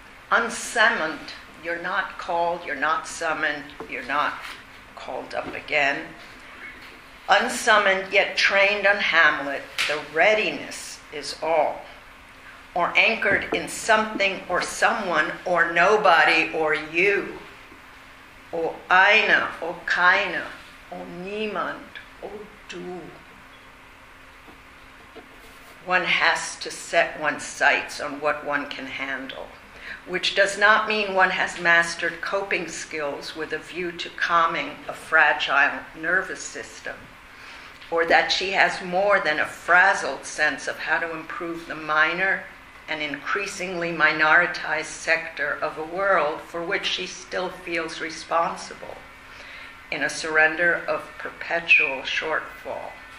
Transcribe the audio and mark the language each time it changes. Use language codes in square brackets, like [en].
[en] Unsummoned, you're not called, you're not summoned, you're not called up again. Unsummoned yet trained on Hamlet, the readiness is all. Or anchored in something or someone or nobody or you. [de] O eine, o keine, o niemand, o du. [en] One has to set one's sights on what one can handle, which does not mean one has mastered coping skills with a view to calming a fragile nervous system, or that she has more than a frazzled sense of how to improve the minor and increasingly minoritized sector of a world for which she still feels responsible in a surrender of perpetual shortfall.